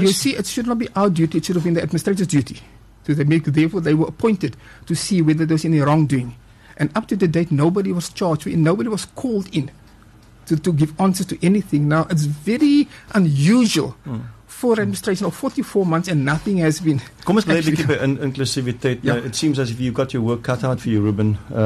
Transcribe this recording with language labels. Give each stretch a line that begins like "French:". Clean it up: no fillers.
English: You see, it should not be our duty. It should have been the administrator's duty. Therefore, they were appointed to see whether there's any wrongdoing. And up to the date, nobody was charged and nobody was called in to give answer to anything. Now, it's very unusual. For administration of 44 months and nothing has been.
Afrikaans: Kom ons bly 'n bietjie by inklusiwiteit.
English: It seems as if you've got your work cut out for you, Ruben.